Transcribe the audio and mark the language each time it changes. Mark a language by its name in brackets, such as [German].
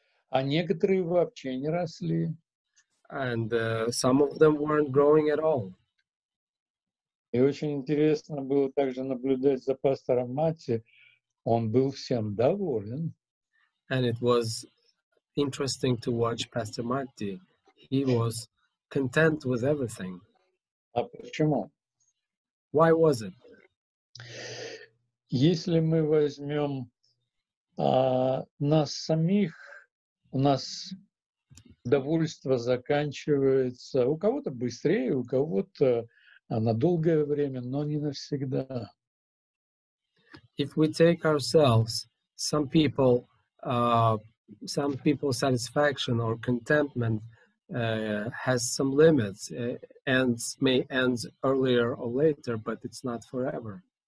[Russian] А некоторые вообще не росли. [English] And some of them weren't growing at all. [Russian] И очень интересно было также наблюдать за пастором Мати. Он был всем доволен. [English] And it was interesting to watch Pastor Matti. He was content with everything. [Russian] А почему? [English] Why was it? [Russian] Если мы возьмем нас самих, у нас довольство заканчивается у кого-то быстрее, у кого-то на долгое время, но не навсегда. [English] If we take ourselves, some people's satisfaction or contentment has some limits, and may end earlier or later, but it's not forever.